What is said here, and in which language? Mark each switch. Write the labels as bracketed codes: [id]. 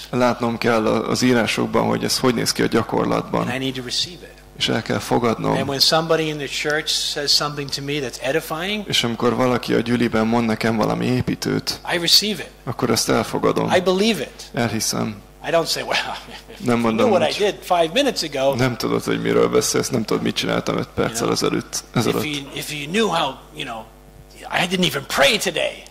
[hu] Látnom kell az írásokban, hogy ez hogy néz ki a gyakorlatban. [en] And I need to receive it. [hu] És el kell fogadnom. [en] And when somebody in the church says something to me that's edifying, [hu] és amikor valaki a gyüliben mond nekem valami építőt, [en] I receive it. [hu] Akkor ezt elfogadom. [en] I believe it. [hu] Elhiszem. [en] I don't say, well, [hu] nem mondom, [en] what I did 5 minutes ago. [hu] Nem tudod, hogy miről beszélsz, nem tudod, mit csináltam 5 perccel ezelőtt. [en] If you knew how, you know, I didn't even pray today.